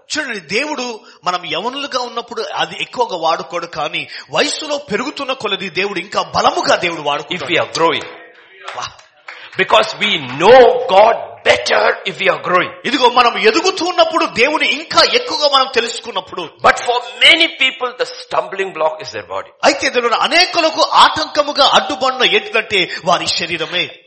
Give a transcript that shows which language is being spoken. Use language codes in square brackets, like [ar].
[te] చూడండి దేవుడు మనం యవనులుగా ఉన్నప్పుడు అది ఎక్కువగా వాడుకోడు కానీ వయసులో పెరుగుతున్న కొలది దేవుడు ఇంకా బలముగా దేవుడు వాడుకుంటాడు. [en] If we are growing. Because we know God better if we are growing. [te] ఇదిగో మనం ఎదుగుతున్నప్పుడు దేవుని ఇంకా ఎక్కువగా మనం తెలుసుకున్నప్పుడు. [en] But for many people the stumbling block is their body. [te] అయితే దేవుడు అనేకులకు ఆటంకముగా అడ్డుబండ ఏంటంటే వారి శరీరమే.